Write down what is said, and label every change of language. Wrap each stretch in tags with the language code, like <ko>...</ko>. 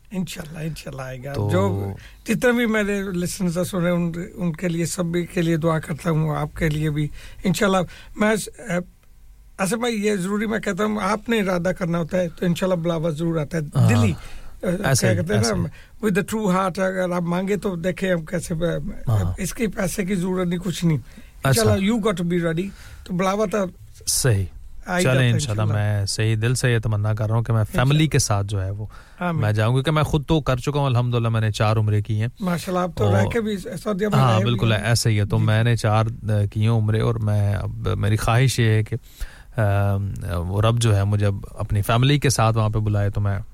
<hi>इंशाल्लाह इंशाल्लाह आएगा तो जो जितने भी मेरे लिसनर्स सुन रहे उनके लिए सभी के लिए दुआ करता हूँ आपके लिए भी इंशाल्लाह मैं असल में ये जरूरी मैं कहता हूँ आपने इरादा करना होता है तो इंशाल्लाह बुलावा जरूर आता है दिली With the true heart, अगर आप मांगे तो देखे हम कैसे इसके पैसे की जरूरत नहीं कुछ नहीं इंशाल्लाह</hi> <en>you got to be ready</en> <hi>तो बुलावा तो सही चले इंशाल्लाह मैं सही दिल से ये तमन्ना कर रहा हूँ कि मैं फैमिली के साथ जो है वो मैं जाऊंगी कि मैं खुद तो कर चुका हूँ अल्हम्दुलिल्लाह मैंने चार उम्रे की हैं माशाल्लाह आप तो रह के भी सऊदी अरब हाँ बिल्कुल ऐसा ही है तो मैंने चार की हैं उम्रे और मैं अब मेरी ख्वाहिश ये है कि वो रब जो है मुझे अपनी फैमिली के साथ वहाँ पे बुलाए तो मैं</hi>